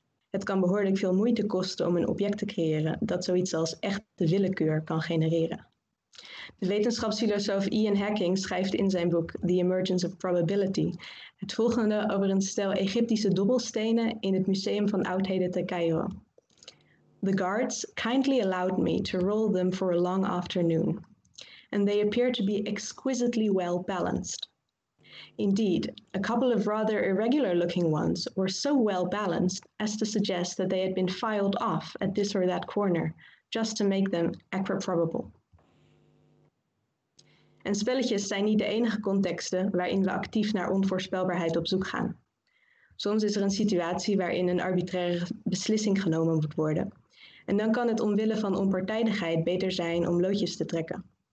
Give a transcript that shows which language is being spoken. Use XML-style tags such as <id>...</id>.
<nl>Het kan behoorlijk veel moeite kosten om een object te creëren dat zoiets als echte willekeur kan genereren. De wetenschapsfilosoof Ian Hacking schrijft in zijn boek The Emergence of Probability het volgende over een stel Egyptische dobbelstenen in het Museum van Oudheden te Cairo.</nl> <en>The guards kindly allowed me to roll them for a long afternoon, and they appear to be exquisitely well balanced. Indeed, a couple of rather irregular-looking ones were so well-balanced as to suggest that they had been filed off at this or that corner, just to make them equiprobable.</en> <nl>En spelletjes zijn niet de enige contexten waarin we actief naar onvoorspelbaarheid op zoek gaan. Soms is er een situatie waarin een arbitraire beslissing genomen moet worden. En dan kan het omwille van onpartijdigheid beter zijn om loodjes te trekken.</nl>